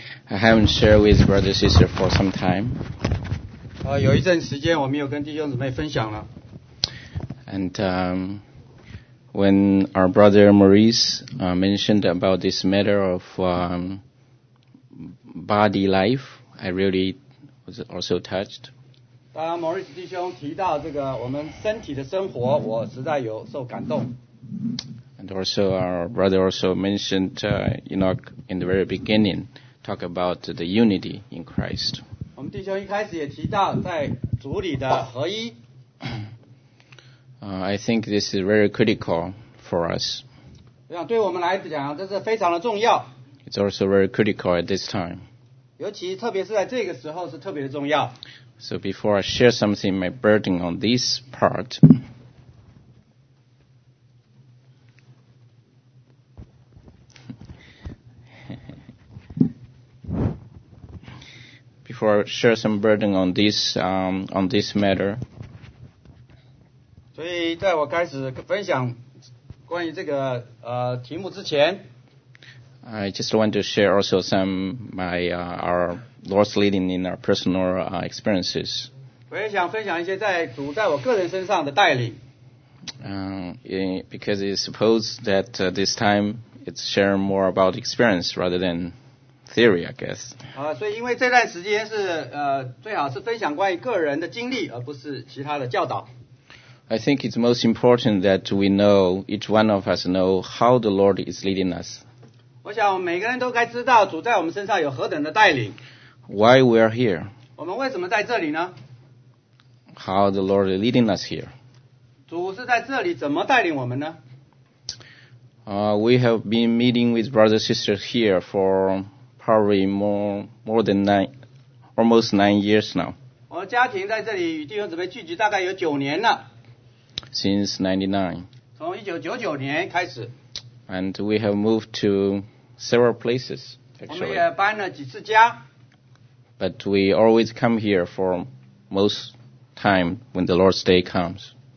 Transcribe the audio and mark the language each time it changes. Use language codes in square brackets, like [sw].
[en] I haven't shared with brother and sister for some time. [zh] 有一阵时间我没有跟弟兄姊妹分享了。 [en] And when our brother Maurice mentioned about this matter of body life, I really was also touched. [zh] 当 Maurice 弟兄提到这个我们身体的生活，我实在有受感动。 [en] And also our brother also mentioned Enoch in the very beginning. Talk about the unity in Christ. [zh] 我们弟兄一开始也提到在主里的合一。 [en] I think this is very critical for us. [zh] 对我们来讲，这是非常的重要。 [en] It's also very critical at this time. [zh] 尤其特别是在这个时候是特别的重要。 [en] So before I share something, my burden on this part. Before I share some burden on this matter. [zh] 所以在我开始分享关于这个题目之前， [en] I just want to share also some my our Lord's leading in our personal experiences. [zh] 我也想分享一些在主在我个人身上的带领。 [en] Because it's supposed that this time it's sharing more about experience rather than. Theory, I guess. [zh] 所以因为这段时间是最好是分享关于个人的经历，而不是其他的教导。 [en] I think it's most important that we know each one of us know how the Lord is leading us. [zh] 我想每个人都该知道主在我们身上有何等的带领。 [en] Why we are here? [zh] 我们为什么在这里呢？ [en] How the Lord is leading us here? [zh] 主是在这里怎么带领我们呢？ [en] We have been meeting with brothers and sisters here for. Probably more than almost 9 years now. [zh] 我家庭在这里与弟兄姊妹聚集大概有九年了。 [en] Since 1999. [zh] 从1999年开始。 [en] And we have moved to several places, actually. [zh] 我们也搬了几次家。 [en] But we always come here for most time when the Lord's Day comes.